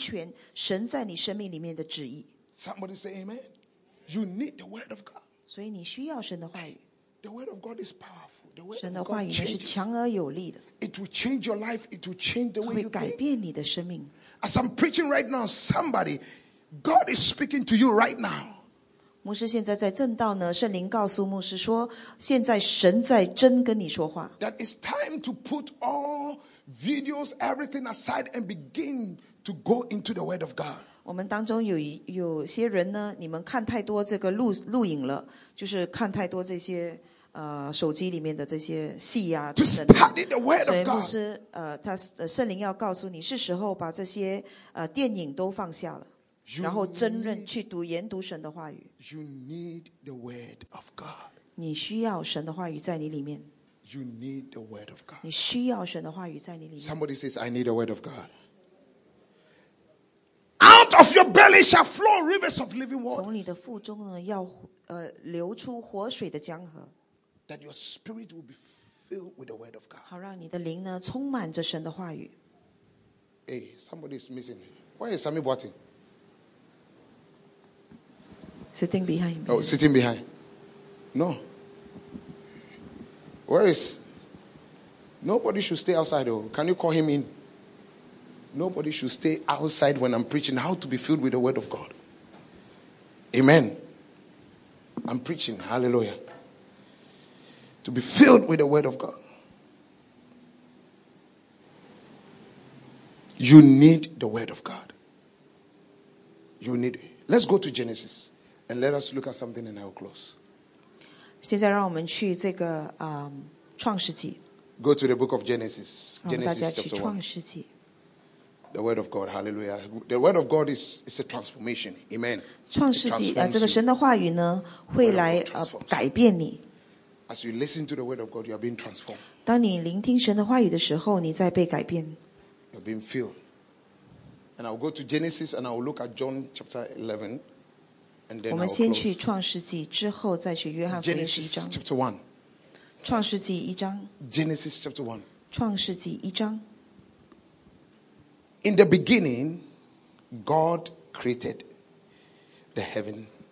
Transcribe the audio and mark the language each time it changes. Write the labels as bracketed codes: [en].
[zh] 你一定会行出并且愿意成全神在你生命里面的旨意。 [en] Somebody say amen. You need the word of God. [zh] 所以你需要神的话语。 [en] The word of God is powerful. The word of God changes. It will change your life. It will change the way you think. As I'm preaching right now, somebody, God is speaking to you right now. [zh] 牧师现在在正道呢， 圣灵告诉牧师说， 现在神在真跟你说话。 [en] That it's time to put all videos, everything aside and begin to go into the word of God. [zh] 我们当中有些人呢， 你们看太多这个录影了， 就是看太多这些， [en] To study the word of God. [zh] 所以牧师， 圣灵要告诉你， 是时候把这些， 电影都放下了， 然后真认去读研读神的话语。 [en] You need the word of God. [zh] 你需要神的话语在你里面。 [en] You need the word of God. [zh] 你需要神的话语在你里面。 [en] Somebody says, I need the word of God. Out of your belly shall flow rivers of living water. [zh] 从你的腹中呢， 要， 流出活水的江河。 [en] That your spirit will be filled with the word of God. [zh] 好让你的灵呢， 充满着神的话语。 [en] Hey, somebody is missing. Where is Sammy Boateng? Sitting behind. Oh, sitting behind. No. Where is? Nobody should stay outside. Oh. Can you call him in? Nobody should stay outside when I'm preaching how to be filled with the word of God. Amen. I'm preaching. Hallelujah. To be filled with the word of God. You need the word of God. You need it. Let's go to Genesis. And let us look at something and I will close. [zh] 现在让我们去这个, [en] go to the book of Genesis. Genesis chapter 1. The word of God. Hallelujah. The word of God is a transformation. Amen. [zh] 创世纪, 这个神的话语呢, 会来, [en] word of God transforms. [zh] 改变你。 [en] As you listen to the word of God, you are being transformed. [zh] 当你聆听神的话语的时候， 你在被改变。 [en] You are being filled. And I will go to Genesis and I will look at John chapter 11. And then [zh] 我们先去创世纪， 之后再去约翰福音11章。 [en] Genesis chapter 1. [zh] 创世纪一章。 [en] Genesis chapter 1. [zh] 创世纪一章。 [en] In the beginning, God created the heaven.